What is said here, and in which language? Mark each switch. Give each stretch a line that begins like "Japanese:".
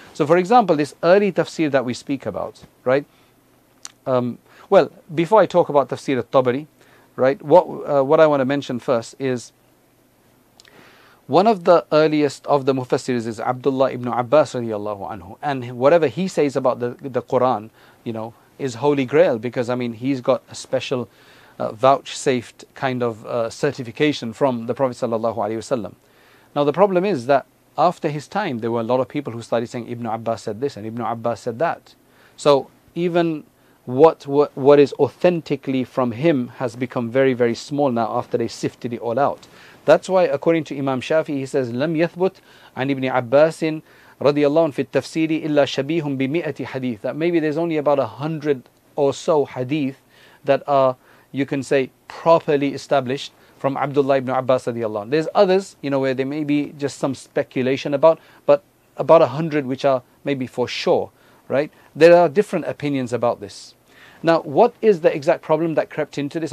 English: So for example, this early tafsir that we speak about, right? Well, before I talk about Tafsir al-Tabari, right, what I want to mention first is one of the earliest of the Mufassirs is Abdullah ibn Abbas radiallahu anhu, and whatever he says about the Quran, you know, is holy grail, because I mean he's got a special vouchsafed kind of certification from the Prophet sallallahu alaihi wasallam. Now the problem is that after his time there were a lot of people who started saying Ibn Abbas said this and Ibn Abbas said that. So even what is authentically from him has become very, very small now after they sifted it all out. That's why, according to Imam Shafi, he says,
Arabic: لَمْ يَثْبُتْ عَنْ إِبْنِ عَبَّاسٍ رَضِيَ اللَّهُ فِي التَّفْسِيرِ إِلَّا شَبِيهٌ بِمِئَةِ حَدِيثٍ.
English: That maybe there's only about 100 or so hadith that are, you can say, properly established from Abdullah ibn Abbas رضي الله. There's others, you know, where there may be just some speculation about, but about 100 which are maybe for sure. Right? There are different opinions about this. Now, what is the exact problem that crept into this?